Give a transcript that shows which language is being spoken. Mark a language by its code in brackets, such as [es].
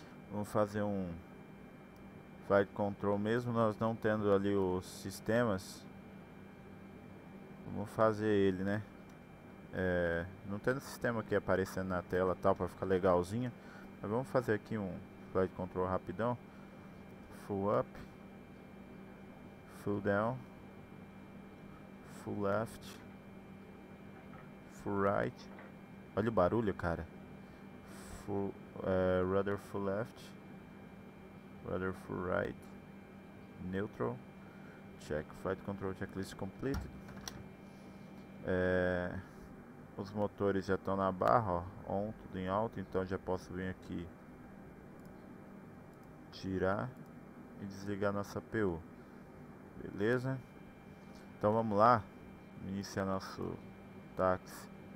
[pt] Vamos fazer um flight control, mesmo nós não tendo ali os sistemas. Vamos fazer ele, né? Não tendo sistema aqui aparecendo na tela tal para ficar legalzinha, mas vamos fazer aqui um flight control rapidão. [en] Full up, full down, full left, full right. [pt] Olha o barulho, cara. [en] Full, rudder full left, rudder full right, neutral, check, flight control checklist completed. [pt] Os motores já estão na barra, ó, on, tudo em alto, então já posso vir aqui tirar e desligar nossa PU. Beleza? Então vamos lá, iniciar nosso táxi.